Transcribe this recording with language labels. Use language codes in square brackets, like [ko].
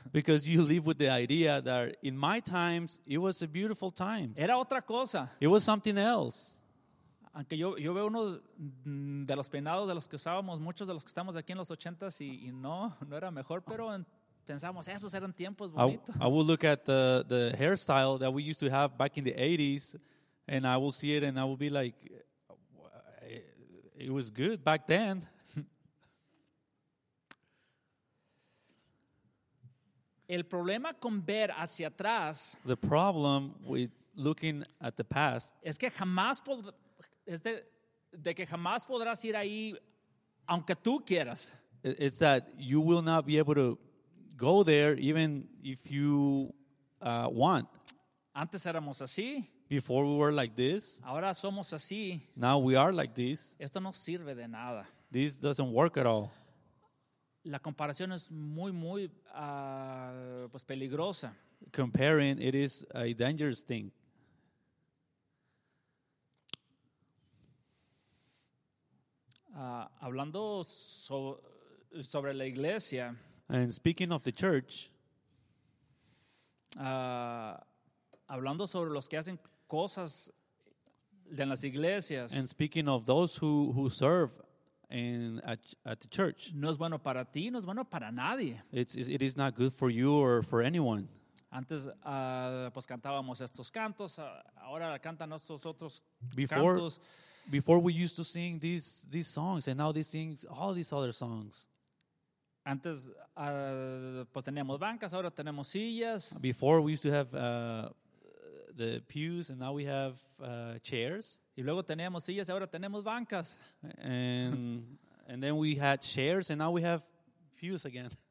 [en] Because you live with the idea that in my times it was a beautiful time. [es] Era otra cosa. [en] It was something else. [es] Aunque yo veo uno de los peinados de los que usábamos, muchos de los que estamos aquí en los 80s y no era mejor, pero pensamos, esos eran tiempos bonitos. [en] I will look at the hairstyle that we used to have back in the 80s, and I will see it, and I will be like, it was good back then. [es] El problema con ver hacia atrás, [en] the problem with looking at the past, [es] es que jamás de que jamás podrás ir ahí aunque tú quieras. [en] It's that you will not be able to go there even if you want. [es] Antes éramos así. [en] Before we were like this. [es] Ahora somos así. [en] Now we are like this. [es] Esto no sirve de nada. [en] This doesn't work at all. [es] La comparación es muy, muy pues peligrosa. [en] Comparing, it is a dangerous thing. [es] Hablando sobre la iglesia. [en] And speaking of the church. [es] Hablando sobre los que hacen cosas en las iglesias. [en] And speaking of those who serve at the church. [es] No es bueno para ti, no es bueno para nadie. [en] It is not good for you or for anyone. [es] Antes pues cantábamos estos cantos, ahora cantan estos otros cantos. [en] Before we used to sing these songs, and now they sing all these other songs. [es] Antes, pues teníamos bancas, ahora tenemos sillas. [en] Before we used to have the pews, and now we have chairs. [es] Y luego teníamos sillas, ahora tenemos bancas. [en] And then we had chairs, and now we have pews again.